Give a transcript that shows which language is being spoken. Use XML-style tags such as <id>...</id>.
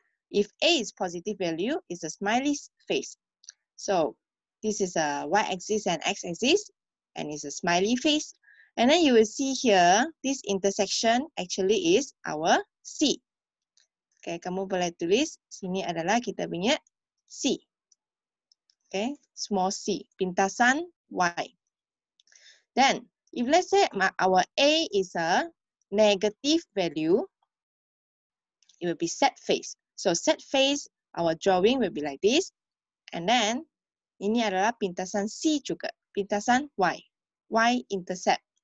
<en>If a is positive value, it's a smiley face. So, this is a y-axis and x-axis, and it's a smiley face. And then you will see here, this intersection actually is our C.</en> <id>Okay, kamu boleh tulis, sini adalah kita punya C. Okay, small C, pintasan Y.</id> <en>Then, if let's say our A is a negative value, it will be set face. So set face, our drawing will be like this, and then,</en> <id>ini adalah pintasan C juga, pintasan Y,</id> <en>Y-intercept.</en>